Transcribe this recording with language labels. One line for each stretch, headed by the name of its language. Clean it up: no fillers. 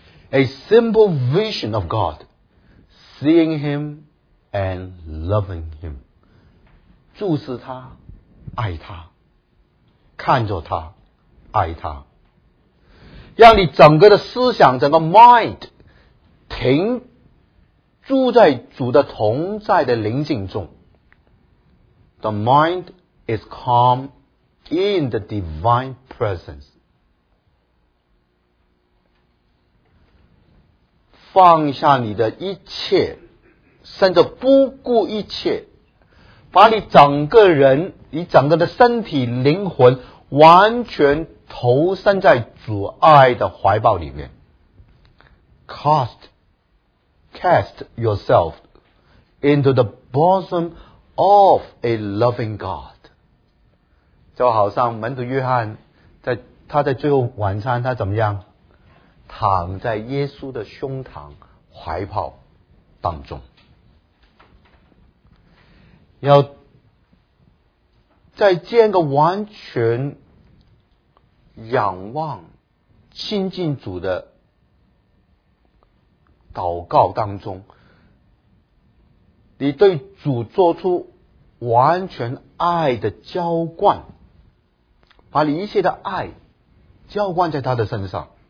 English: A simple vision of God, seeing him and loving him,
Chinese: 注视他，爱他，看着他，爱他，让你整个的思想，整个 mind 停住在主的同在的灵境中。
English: The mind is calm in the divine presence.
Chinese: 放下你的一切，甚至不顾一切，把你整个人，你整个的身体灵魂完全投身在主爱的怀抱里面。
English: Cast yourself into the bosom of a loving God.
Chinese: 就好像门徒约翰在他在最后晚餐他怎么样，躺在耶稣的胸膛怀抱当中。要在这样一个完全仰望亲近主的祷告当中，你对主做出完全爱的浇灌，把你一切的爱浇灌在他的身上。